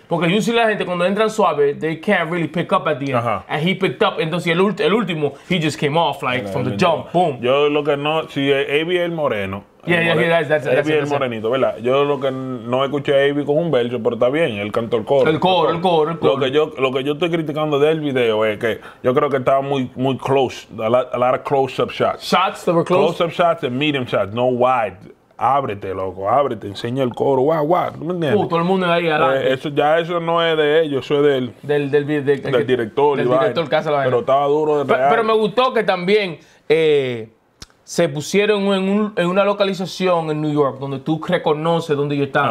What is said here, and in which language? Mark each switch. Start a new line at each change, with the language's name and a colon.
English: Porque usually
Spanish: la gente cuando entran suave,
English: they can't really pick up at the end. Uh-huh. And he picked up,
Spanish: entonces el último,
English: he just came off like from the jump, boom.
Spanish: Yo lo que no, si AB el moreno.
English: Yeah, that's it, morenito.
Spanish: ¿Verdad? Yo lo que no escuché a AB con un verso, pero está bien, él cantó el coro. El coro. Lo que yo estoy criticando del video es que yo creo que estaba muy close,
English: a lot of close-up shots. Shots that were close? Close-up shots and medium shots, no wide.
Spanish: Ábrete, loco, ábrete, enseña el coro, guau, ¿no me entiendes? Todo el mundo ahí adelante. Eso no es de ellos, eso es del... Del director. Del director que hace la vaina. Pero estaba duro de real. Pero me gustó que también se pusieron en una localización en New York donde tú reconoces dónde ellos están.